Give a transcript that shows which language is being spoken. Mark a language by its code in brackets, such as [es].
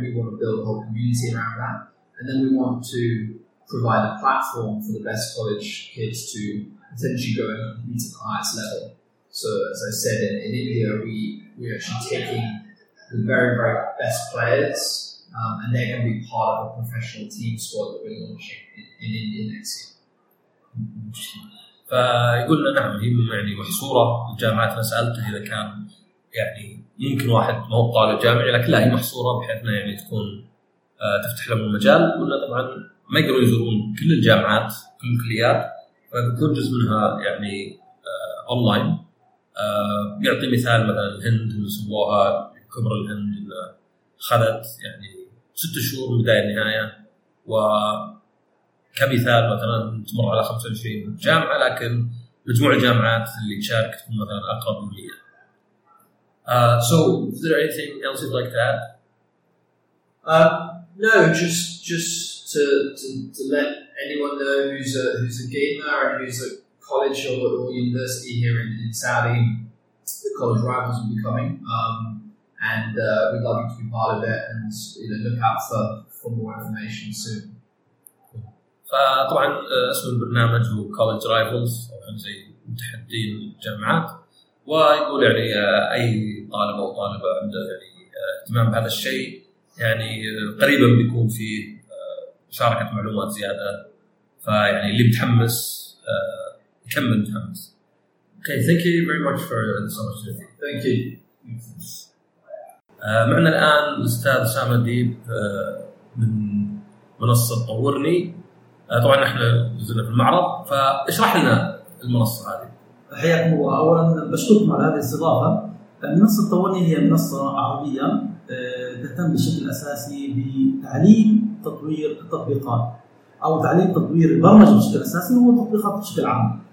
[en] We want to build a whole community around that, and then we want to provide a platform for the best college kids to potentially going to meet at the highest level. So as I said, in India, we are actually taking the very, very best players, and they're going to be part of a professional team squad that we're launching in India next year. [ar] فيقول لنا نعم هي يعني محصورة الجامعات. سألته إذا كان يعني يمكن واحد ما هو طالب جامعي لكن لا هي محصورة بحيث إنه يعني تكون تفتح لهم المجال. قلنا طبعا ما يقدروا يزورون كل الجامعات كل الكليات فبيكون جزء منها يعني أونلاين. بيعطي مثال مثلا الهند اللي سووها كبرى الهند اللي خلت يعني 6 شهور من بداية النهاية و كمثال مثلاً تمر على 25 جامعة لكن مجموع الجامعات اللي تشارك تكون مثلاً أقرب من 100. [en] So is there anything else you'd like to add? No, just to let anyone know who's a gamer and who's a college or university here in Saudi, the college rivals will be coming. We'd love you to be part of it and you know look out for more information soon. [ar] فطبعا اسم البرنامج هو College Rivals أو زي متحدين الجامعات. ويقول يعني أي طالب أو طالبة عنده يعني اهتمام بهذا الشيء يعني قريبا بيكون في مشاركة معلومات زيادة. فيعني اللي متحمس يكمل متحمس. [en] Okay, thank you very much for this opportunity. Thank you. [ar] معنا الآن الأستاذ سامة ديب من منصة طورني. طبعا احنا نزلنا في المعرض فاشرح لنا المنصه هذه. حياكم الله. اولا بشكركم على هذه الاستضافه. المنصه التطورية هي منصه عربيه تهتم بشكل اساسي بتعليم تطوير التطبيقات او تعليم تطوير البرمجه بشكل اساسي والتطبيقات بشكل عام.